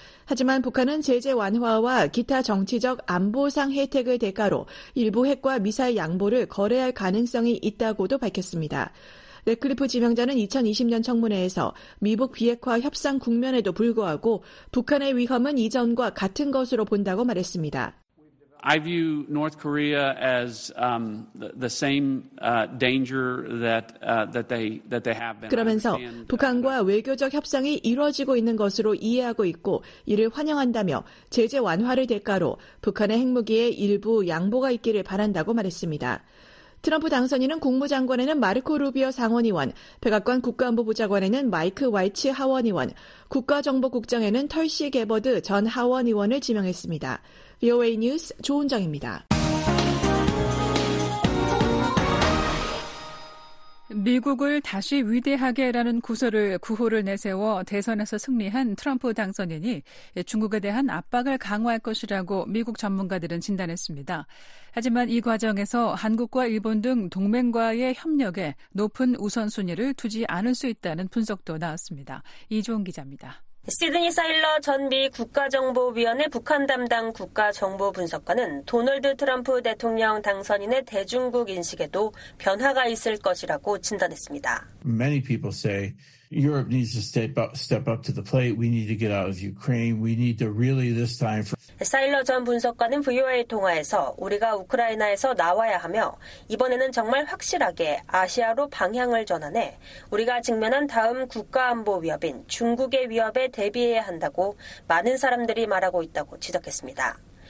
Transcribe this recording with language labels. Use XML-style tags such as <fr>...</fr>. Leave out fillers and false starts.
<ko>하지만 북한은 제재 완화와 기타 정치적 안보상 혜택을 대가로 일부 핵과 미사일 양보를 거래할 가능성이 있다고도 밝혔습니다. 래클리프 지명자는 2020년 청문회에서 미북 비핵화 협상 국면에도 불구하고 북한의 위험은 이전과 같은 것으로 본다고 말했습니다.</ko> <en>I view North Korea as the same danger that that they have been.</en> <ko>그러면서 북한과 외교적 협상이 이루어지고 있는 것으로 이해하고 있고 이를 환영한다며 제재 완화를 대가로 북한의 핵무기에 일부 양보가 있기를 바란다고 말했습니다. 트럼프 당선인은 국무장관에는 마르코 루비오 상원의원, 백악관 국가안보부장관에는 마이크 와이츠 하원의원, 국가정보국장에는 털시 개버드 전 하원의원을 지명했습니다. VOA 뉴스 조은정입니다. 미국을 다시 위대하게라는 구호를 내세워 대선에서 승리한 트럼프 당선인이 중국에 대한 압박을 강화할 것이라고 미국 전문가들은 진단했습니다. 하지만 이 과정에서 한국과 일본 등 동맹과의 협력에 높은 우선순위를 두지 않을 수 있다는 분석도 나왔습니다. 이종 기자입니다. 시드니 사일러 전미 국가정보위원회 북한 담당 국가정보분석관은 도널드 트럼프 대통령 당선인의 대중국 인식에도 변화가 있을 것이라고 진단했습니다.</ko> <en>Many people say Europe needs to step up to the plate. We need to get out of Ukraine. We need to really this time.</en> <ko>사일러 전 분석관은 VOA 통화에서 우리가 우크라이나에서 나와야 하며 이번에는 정말 확실하게 아시아로 방향을 전환해 우리가 직면한 다음 국가안보 위협인 중국의 위협에 대비해야 한다고 많은 사람들이 말하고 있다고 지적했습니다.</ko>